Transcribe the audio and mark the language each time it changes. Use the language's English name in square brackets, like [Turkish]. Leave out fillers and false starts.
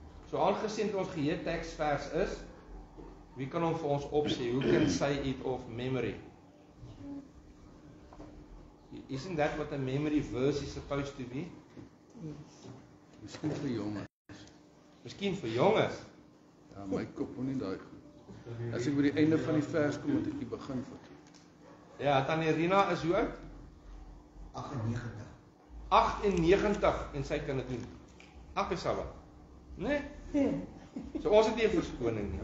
[Afrikaans] So aangesien ons geheel tekstvers is, wie kan hom vir ons opsê? [English] Who can say it of memory? Isn't that what a memory verse is supposed to be? [Afrikaans] Miskien vir jonges. Miskien vir jonges. Ja, my kop hoor nie daai goed. As ek by die einde van die vers kom, moet ek die begin vat. Ja, tannie Rina is hoe oud? 98. 98 en sy kan dit doen. ABSA. Né? Nee? So ons het nie 'n verskoning nie,